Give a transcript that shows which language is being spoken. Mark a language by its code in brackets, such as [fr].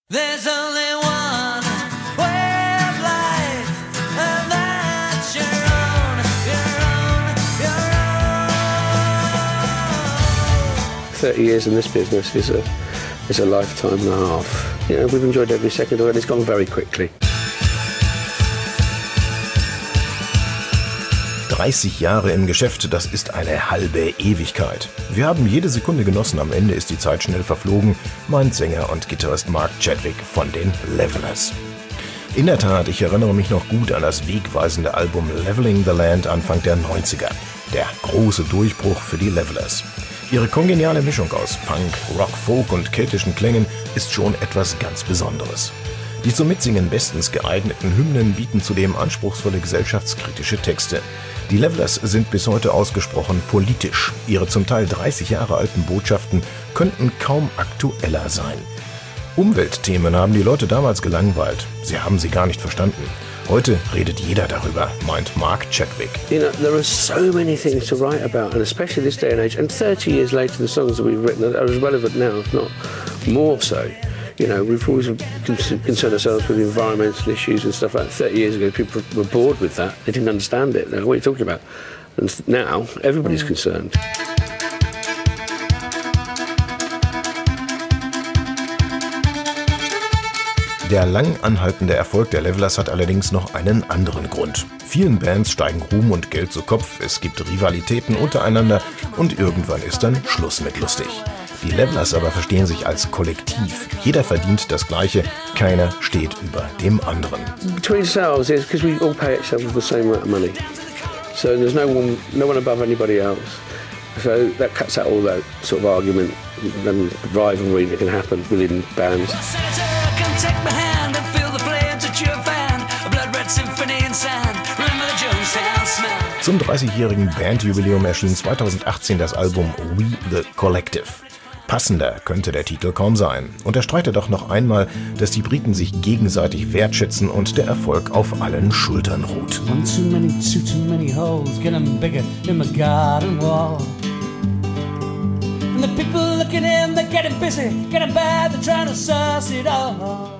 [en] There's only one way of life, and that's your own, your own, your own. 30 years in this business is a lifetime and a half. You know, we've enjoyed every second of it, and it's gone very quickly. [de] 30 Jahre im Geschäft, das ist eine halbe Ewigkeit. Wir haben jede Sekunde genossen, am Ende ist die Zeit schnell verflogen, meint Sänger und Gitarrist Mark Chadwick von den Levelers. In der Tat, ich erinnere mich noch gut an das wegweisende Album Leveling the Land Anfang der 90er. Der große Durchbruch für die Levelers. Ihre kongeniale Mischung aus Punk, Rock, Folk und keltischen Klängen ist schon etwas ganz Besonderes. Die zum Mitsingen bestens geeigneten Hymnen bieten zudem anspruchsvolle gesellschaftskritische Texte. Die Levelers sind bis heute ausgesprochen politisch. Ihre zum Teil 30 Jahre alten Botschaften könnten kaum aktueller sein. Umweltthemen haben die Leute damals gelangweilt. Sie haben sie gar nicht verstanden. Heute redet jeder darüber, meint Mark Chadwick. [en] You know, there are so many things to write about, and especially this day and age. And 30 years later, the songs that we've written are as relevant now, if not more so. You know, we've always concerned ourselves with environmental issues and stuff like that. 30 years ago, people were bored with that. They didn't understand it. What are you talking about? And now, everybody's concerned. [de] Der lang anhaltende Erfolg der Levelers hat allerdings noch einen anderen Grund. Vielen Bands steigen Ruhm und Geld zu Kopf, es gibt Rivalitäten untereinander und irgendwann ist dann Schluss mit lustig. Die Levelers aber verstehen sich als Kollektiv. Jeder verdient das Gleiche, keiner steht über dem anderen. [en] Between ourselves is because we all pay each other the same amount of money. So there's no one above anybody else. So that cuts out all that sort of argument and rivalry that can happen within bands. Take my hand and feel the flames at your fan. A blood red symphony in sand. Remember Jones and smell. [de] Zum 30-jährigen Bandjubiläum erschien 2018 das Album We the Collective. Passender könnte der Titel kaum sein. Unterstreicht er doch noch einmal, dass die Briten sich gegenseitig wertschätzen und der Erfolg auf allen Schultern ruht. [en] One too many holes, getting bigger in my garden wall. And the people looking in, they're getting busy, getting bad, they're trying to suss it all.